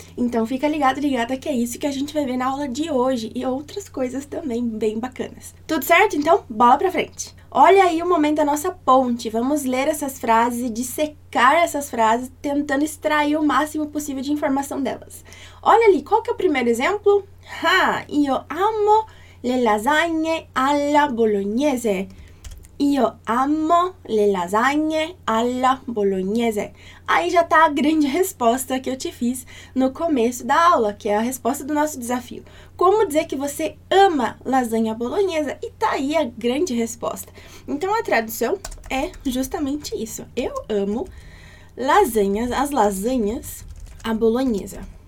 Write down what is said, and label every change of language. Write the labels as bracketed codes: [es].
[pt] Então fica ligado, ligada, que é isso que a gente vai ver na aula de hoje e outras coisas também bem bacanas. Tudo certo? Então, bola pra frente! Olha aí o momento da nossa ponte. Vamos ler essas frases e dissecar essas frases, tentando extrair o máximo possível de informação delas. Olha ali, qual que é o primeiro exemplo? Ha! [it] Io amo le lasagne alla bolognese. Io amo le lasagne alla bolognese. [pt] Aí já tá a grande resposta que eu te fiz no começo da aula, que é a resposta do nosso desafio. Como dizer que você ama lasanha bolognese? E tá aí a grande resposta. Então a tradução é justamente isso. Eu amo lasanhas, as lasanhas à bolognese.